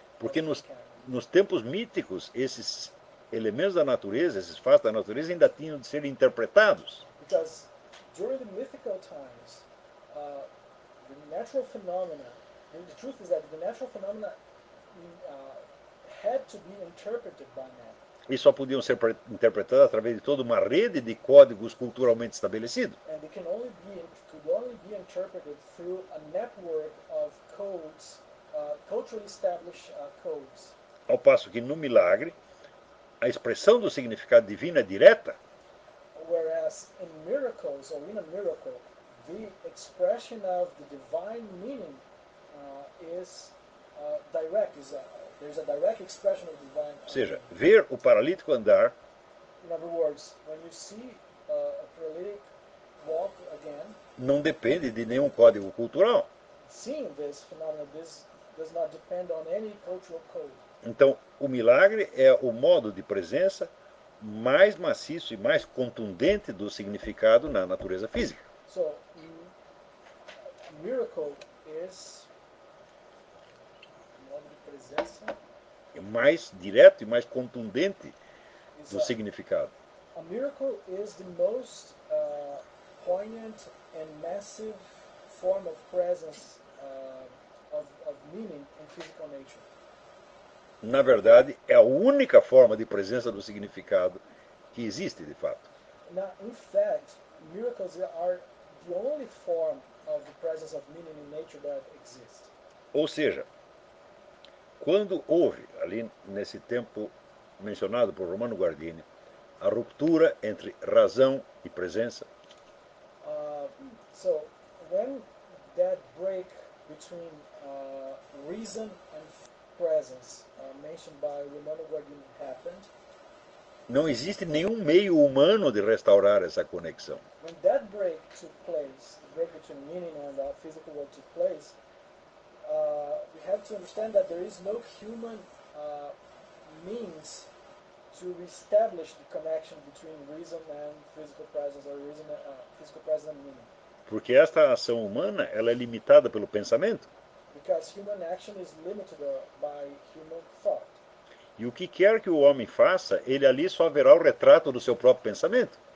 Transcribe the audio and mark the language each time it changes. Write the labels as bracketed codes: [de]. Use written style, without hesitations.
[pt] Porque nos tempos míticos, esses elementos da natureza, esses fatos da natureza ainda tinham de ser interpretados. [en] Because during the mythical times, the natural phenomena, and the truth is that the natural phenomena had to be interpreted by man. [pt] E só podiam ser interpretados através de toda uma rede de códigos culturalmente estabelecidos. [en] And they can only be, could only be interpreted through a network of codes, culturally established codes. [pt] Ao passo que no milagre, a expressão do significado divino é direta. [en] Whereas in miracles, or in a miracle, the expression of the divine meaning is direct, is there's a direct expression of divine. [pt] Ou seja, ver o paralítico andar. [en] In other words, when you see a paralytic walk again, [pt] não depende de nenhum código cultural. [en] Seeing this phenomenon, this does not depend on any cultural code. [pt] Então, o milagre é o modo de presença mais maciço e mais contundente do significado na natureza física. [en] So, miracle is [pt] modo de presença é mais direto e mais contundente do significado. [en] A miracle is the most poignant and massive form of presence of meaning in physical nature. [pt] Na verdade, é a única forma de presença do significado que existe, de fato. [en] Now, in fact, miracles are the only form of the presence of meaning in nature that exists. [pt] Ou seja, quando houve, ali nesse tempo mencionado por Romano Guardini, a ruptura entre razão e presença. [en] So, when that break between reason and presence mentioned by Romano Guardini happened. [pt] Não existe nenhum meio humano de restaurar essa conexão. [en] When that break took place, the break between meaning and the physical world took place, we have to understand that there is no human means to reestablish the connection between reason and physical presence, or reason and physical presence and meaning. [pt] Porque esta ação humana, ela é limitada pelo pensamento. [en] Because human action is limited by human thought. [pt] E o que quer que o homem faça, ele ali só verá o retrato do seu próprio pensamento.